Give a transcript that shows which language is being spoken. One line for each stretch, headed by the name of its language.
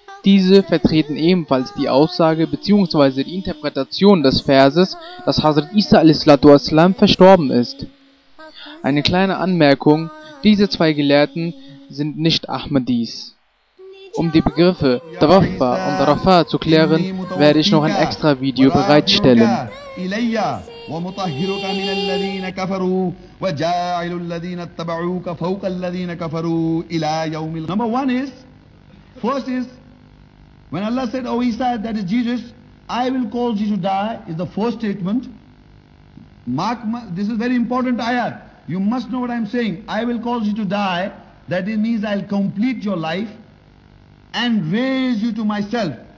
German: Diese vertreten ebenfalls die Aussage bzw. die Interpretation des Verses, dass Hazrat Isa al-Islatu al-Islam verstorben ist. Eine kleine Anmerkung, diese zwei Gelehrten sind nicht Ahmadis. Um die Begriffe Tawaffa und Rafa zu klären, werde ich noch ein extra Video bereitstellen.
Arabic: ومطهرك من الذين كفروا وجاعل الذين اتبعوك فوق الذين كفروا الى يوم القيامة.
English: Number one is, first is, when Allah said, oh Isa, that is Jesus, I will cause you to die, is the first statement. Mark, this is very important ayat. You must know what I'm saying. I will cause you to die, that it means I'll complete your life and raise you to myself.